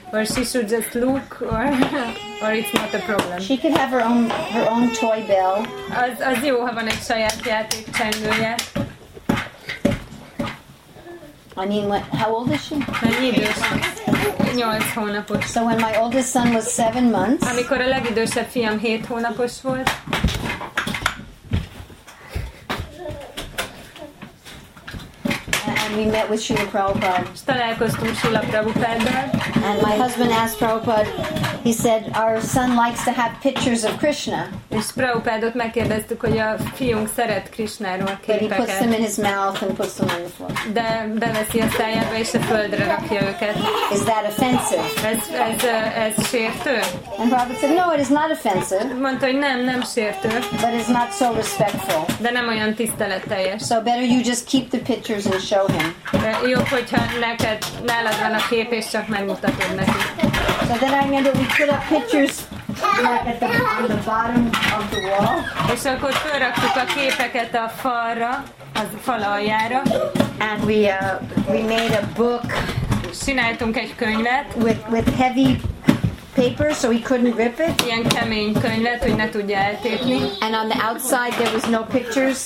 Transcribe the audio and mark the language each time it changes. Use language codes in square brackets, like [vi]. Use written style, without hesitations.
[en] Or she should just look, or it's not a problem. She could have her own toy bell. As you have an [hu] saját játék csengője. [en] I mean, how old is she? [hu] 8 hónapos. [en] So when my oldest son was 7 months. [hu] Amikor a legidősebb fiam 7 hónapos volt. [en] And we met with Srila Prabhupada. And my husband asked Prabhupada, he said, our son likes to have pictures of Krishna. [hu] És Prabhupádot megkérdeztük, hogy a fiunk szeret Krishnáról képeket. [en] But he puts them in his mouth and puts them on the floor. [hu] De beveszi a szájába, és a földre rakja őket. [en] Is that offensive? [hu] Ez sértő? [en] And Prabhupada said, no, it is not offensive. [hu] Mondta, hogy nem sértő. [en] But it's not so respectful. [hu] De nem olyan tiszteletteljes. [en] So better you just keep the pictures and show him. [hu] Jobb, hogyha neked, nálad van a kép, és csak megmutatod neki. [en] So then I remember we put up pictures like on the bottom of the wall. [hu] És akkor felraktuk a képeket a falra, a fal aljára. [en] And we made a book. [hu] Csináltunk egy könyvet. [en] With heavy paper, so he couldn't rip it. [hu] Ilyen kemény könyvet, hogy ne tudja eltépni. [en] And on the outside there was no pictures.